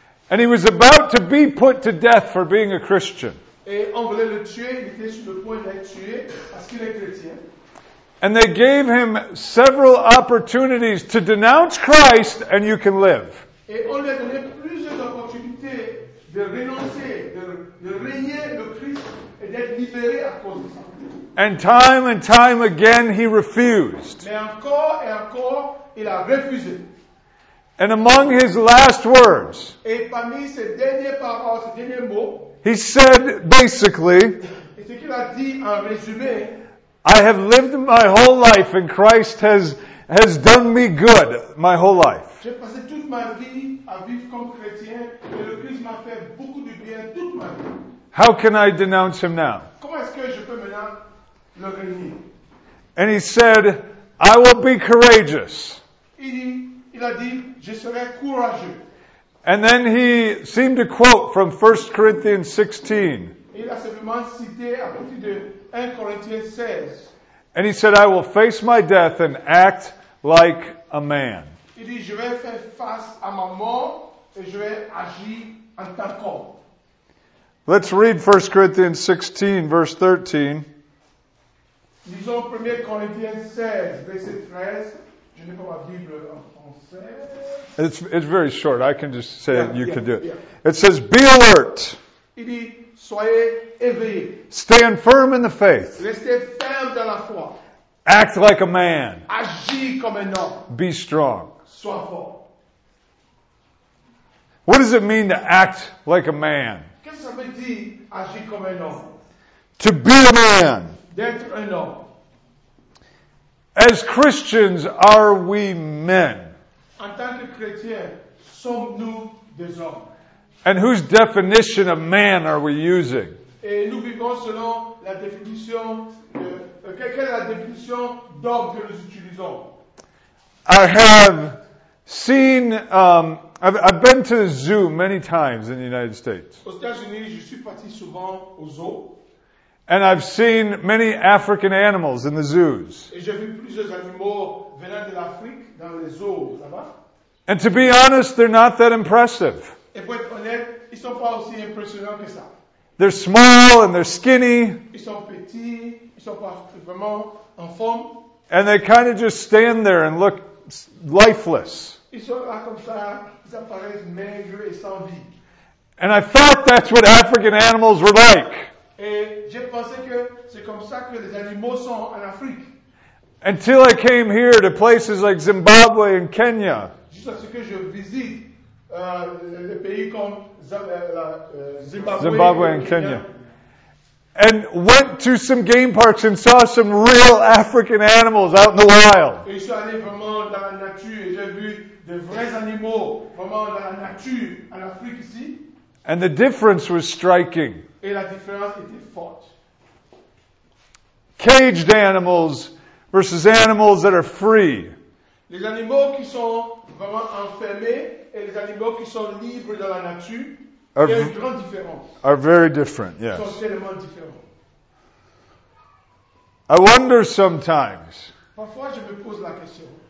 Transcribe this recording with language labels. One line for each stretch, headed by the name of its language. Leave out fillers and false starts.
English: And he was about to be put to death for being a Christian.
French: Et on voulait le tuer, il était sur le point d'être tué parce qu'il est chrétien.
English: And they gave him several opportunities to denounce Christ and you can live.
French: Et on lui a donné plusieurs opportunités de renoncer, de renier le Christ et d'être libéré à cause de ça.
English: And time again he refused.
French: Mais encore et encore, il a refusé.
English: And among his last words,
French: et parmi ses dernières paroles, ses derniers mots,
English: he said basically,
French: et ce qu'il a dit en résumé,
English: I have lived my whole life and Christ has done me good my whole life.
French: J'ai passé toute ma vie à vivre comme chrétien et le Christ m'a fait beaucoup de bien toute ma vie.
English: How can I denounce him now?
French: Comment est-ce que je peux maintenant le renier?
English: And he said, I will be courageous.
French: Il a dit, je serai courageux.
English: And then he seemed to quote from 1 Corinthians 16.
French: Il a simplement cité à partir de 1 Corinthiens 16.
English: And he said, I will face my death and act like a man.
French: Il dit, je vais faire face à ma mort et je vais agir en tant qu'homme.
English: Let's read 1 Corinthians 16, verse 13.
French: Lisons 1 Corinthiens 16, verset 13. Je n'ai pas ma Bible en français.
English: It's very short. I can just say can do it. Yeah. It says, be alert.
French: Il dit, soyez éveillés.
English: Stand firm in the faith.
French: Restez ferme dans la foi.
English: Act like a man.
French: Agis comme un homme.
English: Be strong.
French: Sois fort.
English: What does it mean to act like a man?
French: Qu'est-ce que ça veut dire, agir comme un homme?
English: To be a man.
French: D'être un homme.
English: As Christians, are we men?
French: En tant que chrétiens, sommes-nous des hommes?
English: And whose definition of man are we using?
French: Et nous vivons selon la définition de, quelle est la définition d'homme que nous utilisons?
English: I have seen, I've been to the zoo many times in the United States.
French: Aux États-Unis, je suis parti souvent au zoo.
English: And I've seen many African animals in the zoos.
French: Et j'ai vu plusieurs animaux venant de l'Afrique dans les zoos là-bas.
English: And to be honest, they're not that impressive.
French: Et pour être honnête, ils sont pas aussi impressionnants que ça.
English: They're small and they're skinny.
French: Ils sont petits, ils sont pas vraiment en forme.
English: And they kind of just stand there and look lifeless.
French: Ils sont là comme ça, ils apparaissent maigres et sans vie.
English: And I thought that's what African animals were like.
French: Et j'ai pensé que c'est comme ça que les animaux sont en Afrique.
English: Until I came here to places like Zimbabwe and Kenya.
French: Jusqu'à ce que je visite les pays comme
English: Zimbabwe and Kenya. And went to some game parks and saw some real African animals out in the wild.
French: Et je suis allé vraiment dans la nature et j'ai vu des vrais animaux vraiment dans la nature en Afrique ici.
English: And the difference was striking.
French: Et la différence était forte.
English: Caged animals versus animals that are free.
French: Les animaux qui sont vraiment enfermés et les animaux qui sont libres dans la nature.
English: Are very different, yes.
French: Totalement différent.
English: I wonder sometimes,
French: parfois je me pose la question,